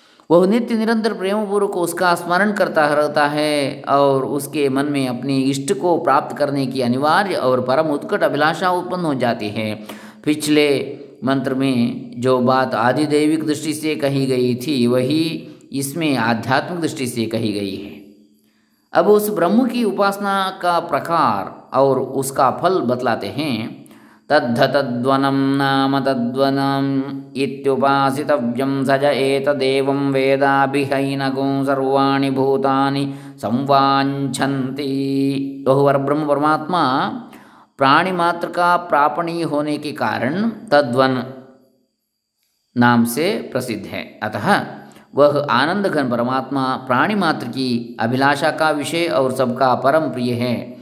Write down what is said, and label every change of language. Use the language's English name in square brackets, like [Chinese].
[Hindi] वह नित्य निरंतर प्रेमपूर्वक उसका स्मरण करता रहता है और उसके मन में अपने इष्ट को प्राप्त करने की अनिवार्य और परम उत्कट अभिलाषा उत्पन्न हो जाती है। पिछले मंत्र में जो बात आदिदैविक दृष्टि से कही गई थी वही इसमें आध्यात्मिक दृष्टि से कही गई है। अब उस ब्रह्म की उपासना का प्रकार और उसका फल बतलाते हैं। [Sanskrit] तद्धतद्वनम नाम तद्वनम इत्युपासितव्यं सज एतदेवं वेदाभिहैनगुं सर्वाणि भूतानि संवाञ्छन्ति। [Hindi] बहुवर ब्रह्म परमात्मा प्राणी मात्र का प्रापणी होने के कारण तद्वन नाम से प्रसिद्ध है। अतः वह आनंद घन परमात्मा प्राणी मात्र की अभिलाषा का विषय और सबका परम प्रिय है।